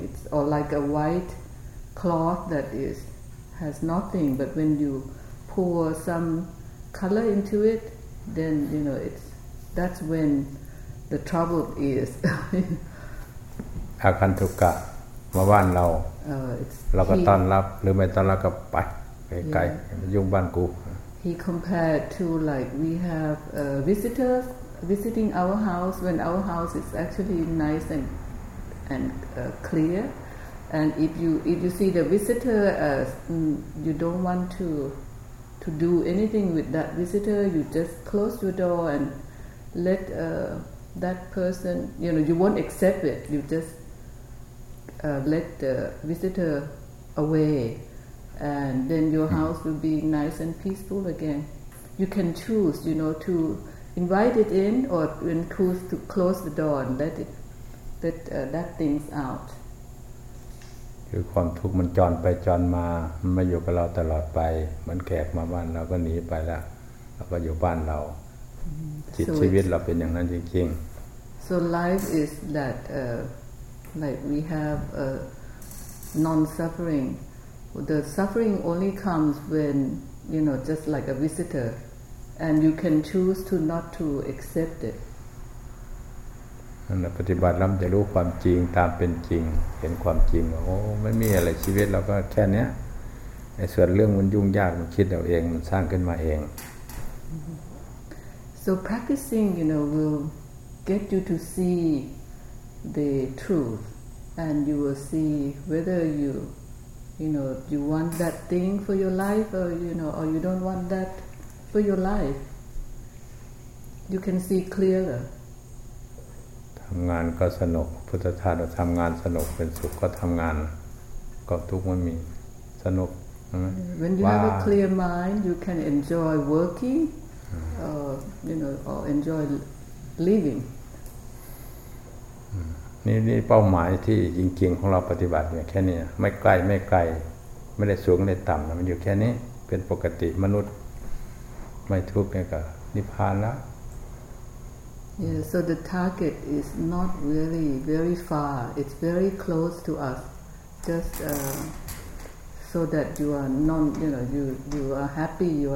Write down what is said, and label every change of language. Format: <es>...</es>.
<en>It's or like a white cloth that is has nothing, but when you pour some color into it, then, you know, it's, that's when the trouble is.</en> <th>อาคันตุกะมาบ้านเราเราก็ต้อนรับหรือไม่ต้อนรับก็ไปไกลยุ่งบ้านกู</th> <en>He compared to like we have visitorsvisiting our house when our house is actually nice and clear and if you see the visitor as you don't want to to do anything with that visitor. You just close your door and let that person, you know, you won't accept it. You just let the visitor away, and then your house will be nice and peaceful again. You can choose, you know, to invite it in or choose to close the door and let it, let that things out.</en> <th>คือความทุกข์มันจรไปจรมามันมาอยู่กับเราตลอดไปมันแขกมาบ้านเราก็หนีไปละเราก็อยู่บ้านเราจิตชีวิตเราเป็นอย่างนั้นจริง</th> <en>ๆ So life is that like we have a non-suffering. The suffering only comes when you know, just like a visitor, and you can choose to not to accept it. And practice, we will know the truth, as it is, see the truth. Oh, there is nothing. Life is just this. The part of the thing is difficult. We think of it, we create it ourselves. So practicing, you know, will get you to see the truth, and you will see whether you, you know, you want that thing for your life, or you know, or you don't want that for your life. You can see clearer.</en> <th>ทำงานก็สนุกพุทธทาสทำงานสนุกเป็นสุขก็ทำงานก็ทุกข์มันมีสนุก</th> <en>When you have a clear mind, you can enjoy working, or you know, or enjoy living.</en> <th>นี่เป้าหมายที่จริงๆของเราปฏิบัติเนี่ยแค่นี้ไม่ใกล้ไม่ไกลไม่ได้สูงไม่ได้ต่ำนะมันอยู่แค่นี้เป็นปกติมนุษย์ไม่ทุกข์เนี่ยก็นิพพานละ</th> <en>Yeah, so the target is not really very far. It's very close to us. Just so that you are non, you know, you are happy.</en>